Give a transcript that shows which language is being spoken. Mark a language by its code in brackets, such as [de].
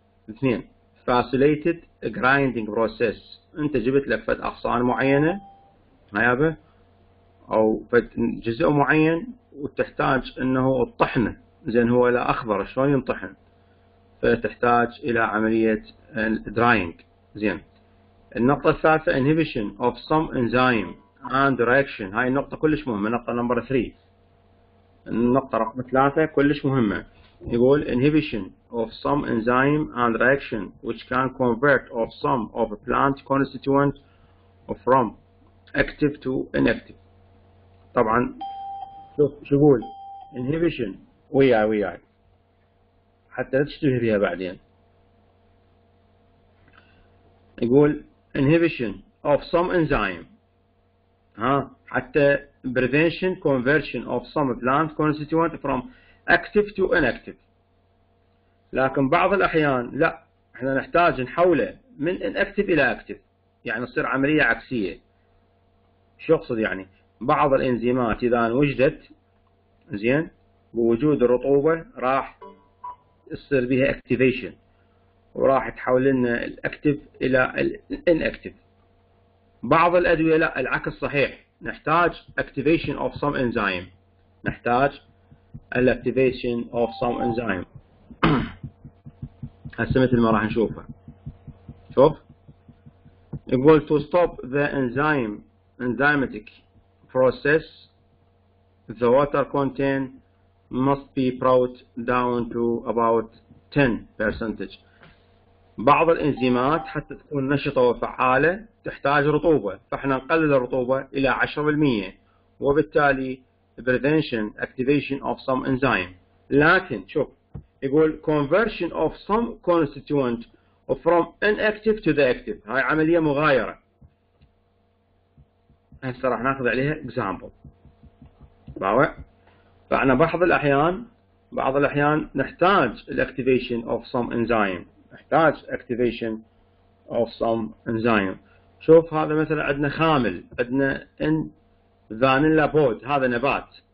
[ar] اثنين، [en] facilitated grinding process, [ar] انت جبت لك فد اغصان معينه هيابة او فد جزء معين وتحتاج انه الطحنه، زين هو لا اخضر شلون ينطحن، فتحتاج الى عمليه دراينج. زين، النقطه الثالثه [en] inhibition of some enzyme and direction, [ar] هاي النقطه كلش مهمه، النقطه نمبر 3، النقطة رقم ثلاثة كلش مهمة. [en] يقول inhibition of some enzyme and reaction which can convert of some of a plant constituent from active to inactive. [ar] طبعا شوف شو يقول inhibition وياي حتى لا تشتبه بها بعدين. [en] يقول inhibition of some enzyme، ها، حتى prevention conversion of some plant constituent from active to inactive. [ar] لكن بعض الاحيان لا، احنا نحتاج نحوله من inactive الى active، يعني تصير عمليه عكسيه. شو اقصد؟ يعني بعض الانزيمات اذا وجدت زين بوجود الرطوبه راح يصير بها activation وراح تحول لنا الاكتف الى الانكتف. بعض الادويه لا، العكس صحيح، نحتاج [en] activation of some enzyme، [ar] نحتاج [en] activation of some enzyme. [ar] هسه مثل ما راح نشوفه، شوف يقول [en] to stop the enzymatic process the water content must be brought down to about 10%. [ar] بعض الانزيمات حتى تكون نشطة وفعالة تحتاج رطوبة، فاحنا نقلل الرطوبة الى 10%، وبالتالي [en] prevention activation of some enzyme. [ar] لكن شوف يقول [en] conversion of some constituent from inactive to the active، [ar] هاي عملية مغايرة. هسه راح ناخذ عليها example. باوع؟ فاحنا بعض الاحيان نحتاج [en] الاكتيفيشن of some enzyme, [ar] نحتاج [en] Activation of some enzyme. [ar] شوف هذا مثلا عندنا خامل، عندنا ان فانيلا بود، هذا نبات.